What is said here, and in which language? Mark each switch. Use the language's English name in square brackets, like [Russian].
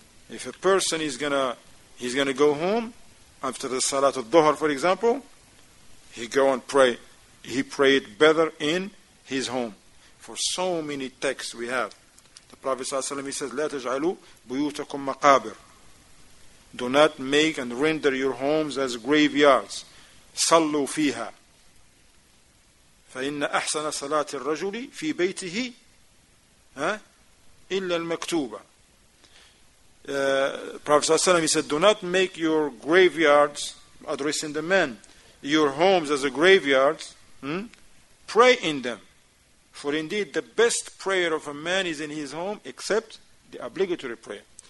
[English] If a person is gonna go home after the Salat of Dhuhr, for example, he go and pray. He prayed better in his home. For so many texts we have, the Prophet صلى الله عليه وسلم he says, [Arabic] لا تجعلوا بيوتكم مقابر. [English] Do not make and render your homes as graveyards. [Arabic] صلوا فيها. فإن أحسن صلاة الرجل في بيته. إلا المكتوبة. [English] Prophet صلى الله عليه وسلم, he said, do not make your graveyards, addressing the men, your homes as a graveyard, pray in them. For indeed, the best prayer of a man is in his home, except the obligatory prayer.